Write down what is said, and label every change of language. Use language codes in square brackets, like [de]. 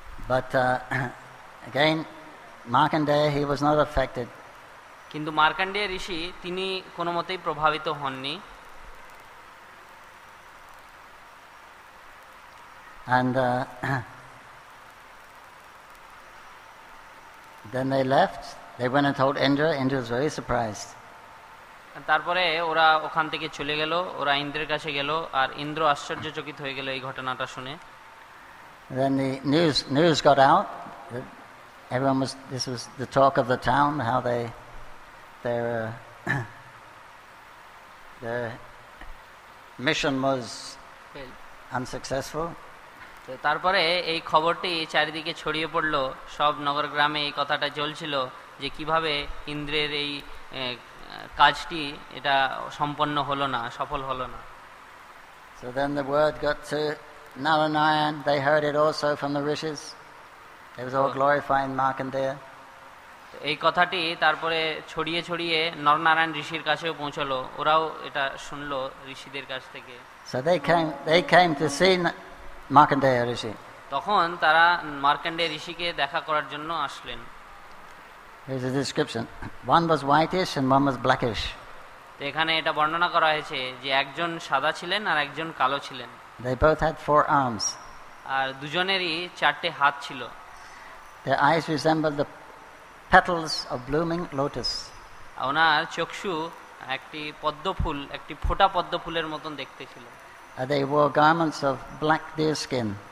[en] But again Markandeya, he was not affected. [bn] কিন্তু মার্কণ্ডেয় ঋষি তিনি কোনোমতেই প্রভাবিত হননি। [en] And then they left. They went and told Indra. Indra was very surprised. [bn] তারপরে ওরা ওখান থেকে চলে গেল, ওরা ইন্দ্রের কাছে গেল আর ইন্দ্র আশ্চর্যচকিত হয়ে গেল এই ঘটনাটা শুনে। [en] Then the news got out that everyone was, this was the talk of the town, how their mission was unsuccessful. [bn] তারপরে এই খবরটি চারিদিকে ছড়িয়ে পড়লো, সব নগর গ্রামে এই কথাটা চলছিল যে কিভাবে ইন্দ্রের এই কাজটি এটা সম্পন্ন হলো না, সফল হলো না। [en] So then the word got to Narayan, they heard it also from the rishis. It was all glorifying Markandeya. [bn] এই কথাটি তারপরে ছড়িয়ে ছড়িয়ে নরনারায়ণ ঋষির কাছেও পৌঁছলো, ওরাও এটা শুনলো ঋষিদের কাছ থেকে। [en] So they came to see Markandeya Rishi. [bn] তখন তারা মার্কণ্ডেয় ঋষিকে দেখা করার জন্য আসলেন। [en] Here's a description. One was whitish and one was blackish. [bn] এখানে এটা বর্ণনা করা হয়েছে যে একজন সাদা ছিলেন আর একজন কালো ছিলেন। [en] They both had four arms. [bn] আর দুজনেরই চারটি হাত ছিল। [en] Their eyes resembled the petals of blooming lotus. [bn] ওনার চক্ষু একটি পদ্মফুল, একটি ফোটা পদ্মফুলের মতন দেখতে ছিল। [en] They wore garments of black deer skin.